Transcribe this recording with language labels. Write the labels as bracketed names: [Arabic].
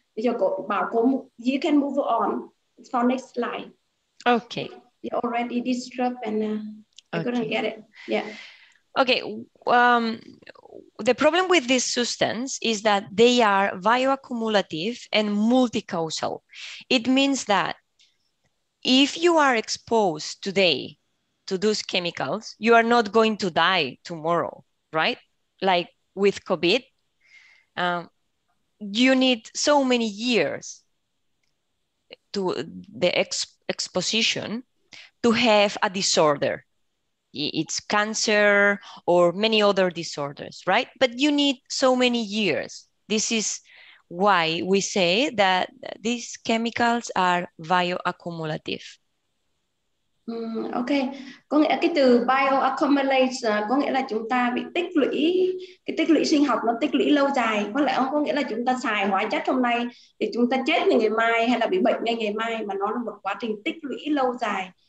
[Vietnamese] Bây giờ cô bảo cô [English] you can move on for next slide. Okay. You already disturbed and I couldn't get it. Yeah. Okay. The problem with this substance is that they are bioaccumulative and multicausal. It means that if you are exposed today to those chemicals, you are not going to die tomorrow, right? Like with COVID, you need so many years to the exposition to have a disorder. It's cancer or many other disorders, right? But you need so many years. This is why we say that these chemicals are bioaccumulative. [Vietnamese] Okay, có nghĩa cái từ bioaccumulate có nghĩa là chúng ta bị tích lũy, cái tích lũy sinh học nó tích lũy lâu dài. Có lẽ không có nghĩa là chúng ta xài hóa chất hôm nay thì chúng ta chết ngày mai hay là bị bệnh ngày mai, mà nó là một quá trình tích lũy lâu dài.